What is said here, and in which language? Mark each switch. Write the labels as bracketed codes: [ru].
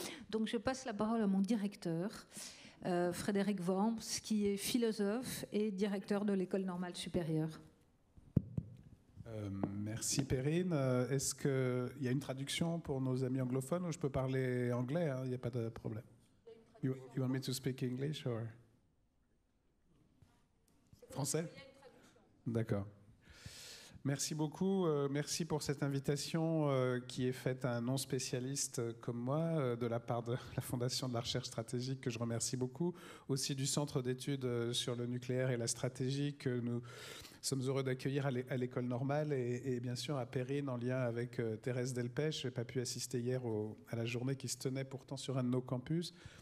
[fr] Donc je passe la parole à mon directeur, Frédéric Worms, qui est philosophe et directeur de l'École normale supérieure. Merci Perrine. Est-ce qu'il y a une traduction pour nos amis anglophones ou je peux parler anglais, hein? Il n'y a pas de problème. [en] You want me to speak English or français? [fr] D'accord. Merci beaucoup. Merci pour cette invitation qui est faite à un non spécialiste comme moi de la part de la Fondation de la Recherche Stratégique que je remercie beaucoup, aussi du Centre d'études sur le nucléaire et la stratégie que nous sommes heureux d'accueillir à l'École normale et bien sûr à Perrine en lien avec Thérèse Delpech. Je n'ai pas pu assister hier à la journée qui se tenait pourtant sur un de nos campus.